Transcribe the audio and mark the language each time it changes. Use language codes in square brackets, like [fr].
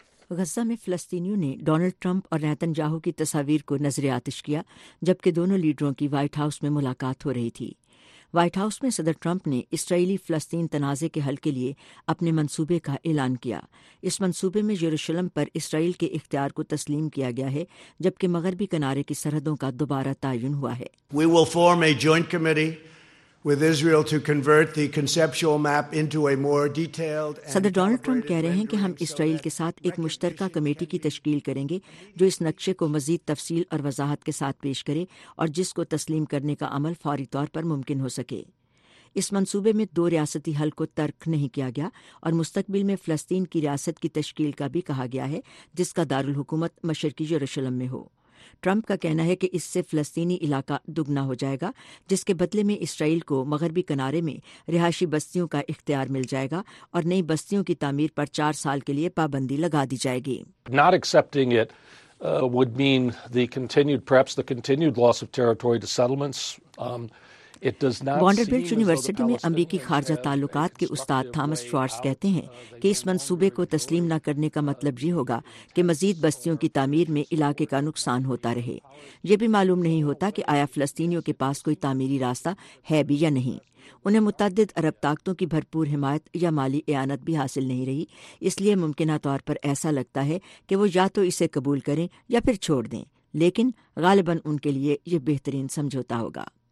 [ur] غزہ میں فلسطینیوں نے ڈونلڈ ٹرمپ اور نیتن جاہو کی تصاویر کو نظر آتش کیا جبکہ دونوں لیڈروں کی وائٹ ہاؤس میں ملاقات ہو رہی تھی۔ وائٹ ہاؤس میں صدر ٹرمپ نے اسرائیلی فلسطین تنازع کے حل کے لیے اپنے منصوبے کا اعلان کیا۔ اس منصوبے میں یروشلم پر اسرائیل کے اختیار کو تسلیم کیا گیا ہے، جبکہ مغربی کنارے کی سرحدوں کا دوبارہ تعین ہوا ہے۔ [en] We will form a joint committee with Israel to convert the conceptual map into a more detailed and [ur] صدر ڈونلڈ ٹرمپ کہہ رہے ہیں کہ ہم اسرائیل کے ساتھ ایک مشترکہ کمیٹی کی تشکیل کریں گے جو اس نقشے کو مزید تفصیل اور وضاحت کے ساتھ پیش کرے اور جس کو تسلیم کرنے کا عمل فوری طور پر ممکن ہو سکے۔ اس منصوبے میں دو ریاستی حل کو ترک نہیں کیا گیا اور مستقبل میں فلسطین کی ریاست کی تشکیل کا بھی کہا گیا ہے، جس کا دارالحکومت مشرقی یروشلم میں ہو۔ ٹرمپ کا کہنا ہے کہ اس سے فلسطینی علاقہ دگنا ہو جائے گا، جس کے بدلے میں اسرائیل کو مغربی کنارے میں رہائشی بستیوں کا اختیار مل جائے گا اور نئی بستیوں کی تعمیر پر 4 سال کے لیے پابندی لگا دی جائے گی۔ [en] Not accepting it would mean the continued, perhaps the continued loss of territory to settlements. [ur] وانڈربلٹ university میں امریکی خارجہ تعلقات کے استاد تھامس شوارٹز کہتے ہیں کہ اس منصوبے کو تسلیم نہ کرنے کا مطلب یہ ہوگا کہ مزید بستیوں کی تعمیر میں علاقے کا نقصان ہوتا رہے۔ یہ بھی معلوم نہیں ہوتا کہ آیا فلسطینیوں کے پاس کوئی تعمیری راستہ ہے بھی یا نہیں۔ انہیں متعدد عرب طاقتوں کی بھرپور حمایت یا مالی اعانت بھی حاصل نہیں رہی، اس لیے ممکنہ طور پر ایسا لگتا ہے کہ وہ یا تو اسے قبول کریں یا پھر چھوڑ دیں، لیکن غالباً ان کے لیے یہ بہترین سمجھوتا ہوگا۔